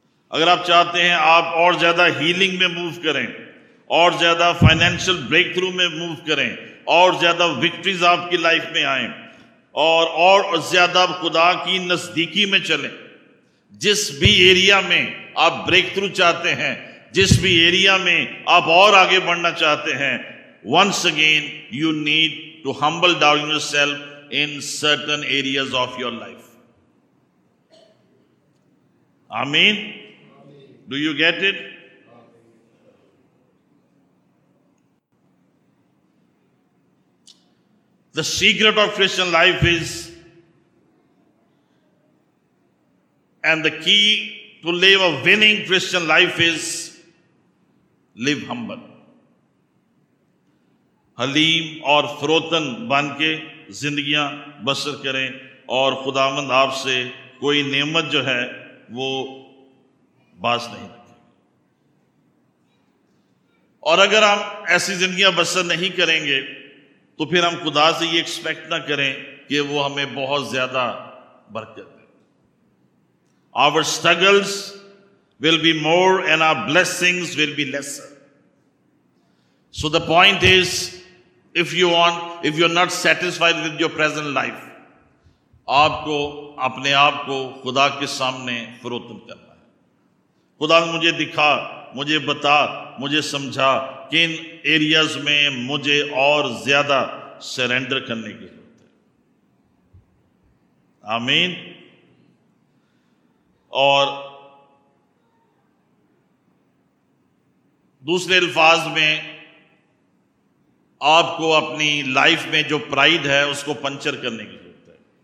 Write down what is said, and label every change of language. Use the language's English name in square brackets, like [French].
[Urdu] اگر آپ چاہتے ہیں آپ اور زیادہ ہیلنگ میں موو کریں، اور زیادہ فائنینشیل بریک تھرو میں موو کریں، اور زیادہ وکٹریز آپ کی لائف میں آئیں، اور زیادہ خدا کی نزدیکی میں چلیں، جس بھی ایریا میں آپ بریک تھرو چاہتے ہیں، جس بھی ایریا میں آپ اور آگے بڑھنا چاہتے ہیں، [English] Once again you need to humble down yourself in certain areas of your life. [Urdu] آمین. [English] Do you get it? The secret of Christian life is, and the key to live a winning Christian life is, live humble. [Urdu] حلیم اور فروتن بن کے زندگیاں بسر کریں، اور خداوند آپ سے کوئی نعمت جو ہے وہ باز نہیں رکھے گا. اور اگر ہم ایسی زندگیاں بسر نہیں کریں گے تو پھر ہم خدا سے یہ ایکسپیکٹ نہ کریں کہ وہ ہمیں بہت زیادہ برکت دے. [English] Our struggles will be more and our blessings will be lesser. So the point is, if you're not satisfied with your present life, [Urdu] آپ کو اپنے آپ کو خدا کے سامنے فروتن کرنا ہے. خدا نے مجھے دکھا, مجھے بتا, مجھے سمجھا کہ ان ایریاز میں مجھے اور زیادہ سرینڈر کرنے کی ضرورت ہے. آمین. اور دوسرے الفاظ میں, آپ کو اپنی لائف میں جو پرائیڈ ہے اس کو پنچر کرنے کی ضرورت ہے.